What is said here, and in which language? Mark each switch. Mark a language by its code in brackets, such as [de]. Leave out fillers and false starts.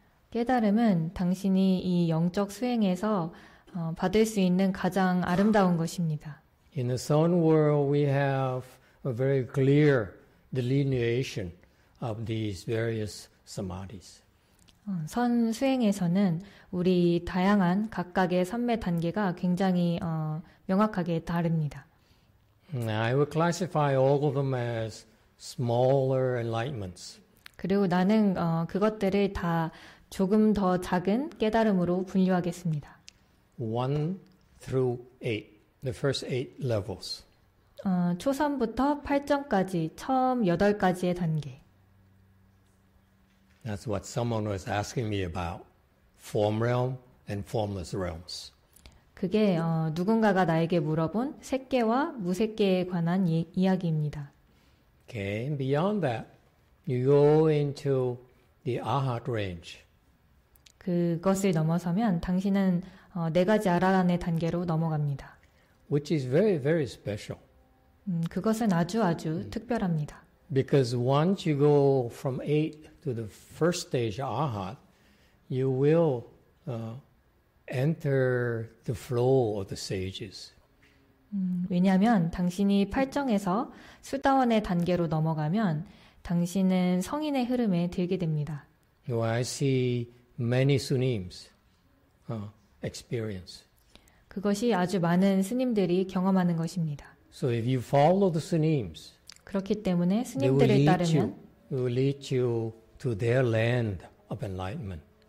[ko] 깨달음은 당신이 이 영적 수행에서 받을 수 있는 가장 아름다운 것입니다. [en] In the Sun world, we have a very clear delineation of these various samadhis. [ko] 선 수행에서는 우리 다양한 각각의 삼매 단계가 굉장히 명확하게 다릅니다. [en] I would classify all of them as smaller enlightenments. [ko] 그리고 나는 그것들을 다 조금 더 작은 깨달음으로 분류하겠습니다. [en] 1 through 8, the first 8 levels. [ko] 초선부터 8점까지, 처음 8가지의 단계. [en] That's what someone was asking me about, form realm and formless realms. [ko] 그게 누군가가 나에게 물어본 색계와 무색계에 관한 이야기입니다. [en] Okay, and beyond that, you go into the Arhat range. [ko] 그것을 넘어서면 당신은 4가지 아라한의 단계로 넘어갑니다. [en] Which is very, very special. [ko] 그것은 아주 아주 특별합니다. [en] Because once you go from 8 to the first stage, Arhat, you will enter the flow of the sages. [ko] 왜냐하면 당신이 8정에서 수다원의 단계로 넘어가면 당신은 성인의 흐름에 들게 됩니다. [en] I see many sunims experience. [ko] 그것이 아주 많은 스님들이 경험하는 것입니다. [en] So if you follow the sunims, [ko] 그렇기 때문에 [en] they will [ko] 스님들을 [en] lead [ko] 따르면 [en] you, to their land of enlightenment.